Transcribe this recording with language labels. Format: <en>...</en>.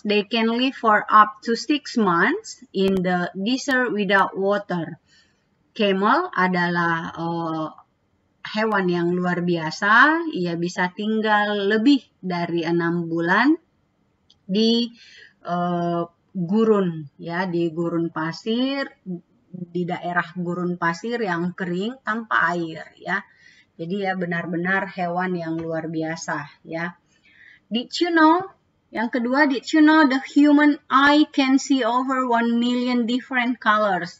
<en>They can live for up to 6 months in the desert without water.</en> <id>Camel adalah hewan yang luar biasa. Ia bisa tinggal lebih dari 6 bulan di gurun, ya, di gurun pasir, di daerah gurun pasir yang kering tanpa air, ya. Jadi ya benar-benar hewan yang luar biasa, ya.</id> <en>Did you know? Yang kedua, did you know the human eye can see over 1 million different colors?</en>